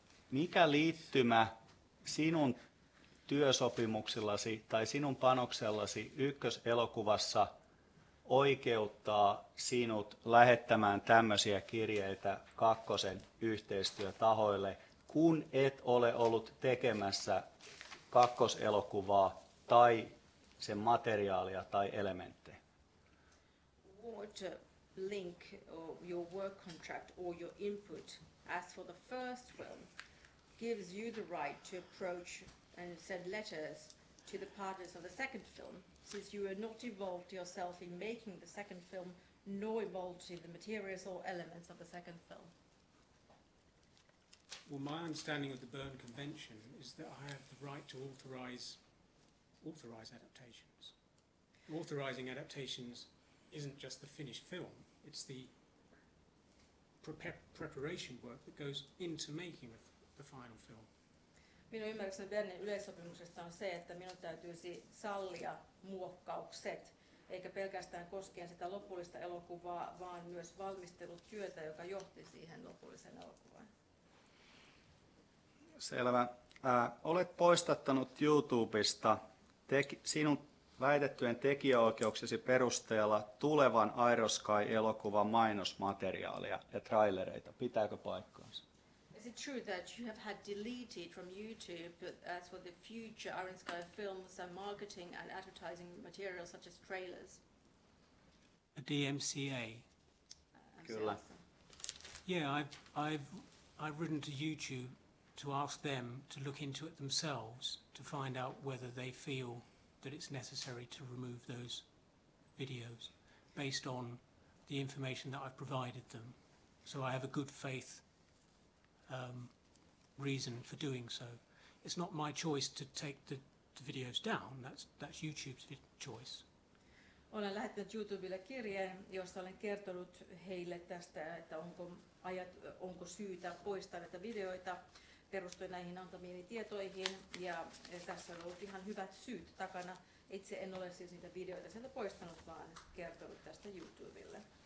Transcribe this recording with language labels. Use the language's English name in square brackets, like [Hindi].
[Finnish] Mikä liittymä sinun työsopimuksillasi tai sinun panoksellasi ykköselokuvassa oikeuttaa sinut lähettämään tämmöisiä kirjeitä kakkosen yhteistyötahoille, kun et ole ollut tekemässä kakkoselokuvaa tai sen materiaalia tai elementtejä? [English] What link or your work contract or your input as for the first film gives you the right to approach and send letters to the partners of the second film, since you are not involved yourself in making the second film nor involved in the materials or elements of the second film? Well, my understanding of the Berne Convention is that I have the right to authorize adaptations. Authorizing adaptations isn't just the finished film, it's the preparation work that goes into making the final film. [Finnish] minun ymmärrykseni Bernin yleissopimuksesta on se, että minun täytyisi sallia muokkaukset, eikä pelkästään koskien sitä lopullista elokuvaa, vaan myös valmistelutyötä, joka johti siihen lopulliseen elokuvaan. Selvä. Olet poistattanut YouTubesta sinun väitettyjen tekijäoikeuksesi perusteella tulevan Aeroskai-elokuvan mainosmateriaalia ja trailereita. Pitääkö paikkaansa? [English] Is it true that you have had deleted from YouTube as for the future Iron Sky films and marketing and advertising materials such as trailers? A DMCA. [Finnish] Kyllä. [English] Yeah, I've written to YouTube to ask them to look into it themselves to find out whether they feel that it's necessary to remove those videos based on the information that I've provided them. So I have a good faith reason for doing so. It's not my choice to take the videos down. That's YouTube's choice. [Finnish] Olen lähettänyt YouTubelle kirjeen, jossa olen kertonut heille tästä, että onko syytä poistaa näitä videoita perustuen näihin antamiini tietoihin, ja tässä on ollut ihan hyvät syyt takana. Itse en ole siis niitä videoita sieltä poistanut, vaan kertonut tästä YouTubelle.